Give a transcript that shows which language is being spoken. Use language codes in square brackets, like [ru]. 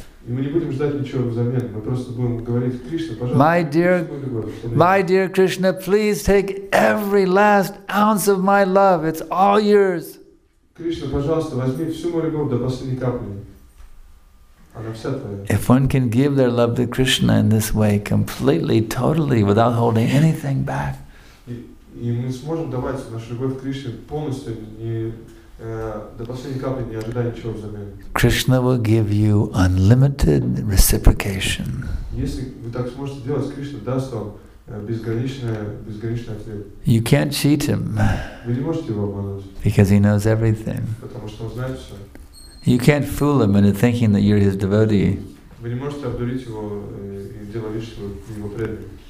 [en] My dear Krishna, please take every last ounce of my love. It's all yours. If one can give their love to Krishna in this way, completely, totally, without holding anything back, [ru] и мы сможем давать нашу любовь Кришне полностью, не до последней капли, не ожидая ничего взамен. [en] Krishna will give you unlimited reciprocation. [ru] Если вы так сможете делать, Кришна даст вам безграничный ответ. [en] You can't cheat him. [ru] Вы не можете его обмануть. [en] Because he knows everything. [ru] Потому что он знает все. [en] You can't fool him into thinking that you're his devotee. [ru] Вы не можете обдурить его и делать вид, что вы его преданы.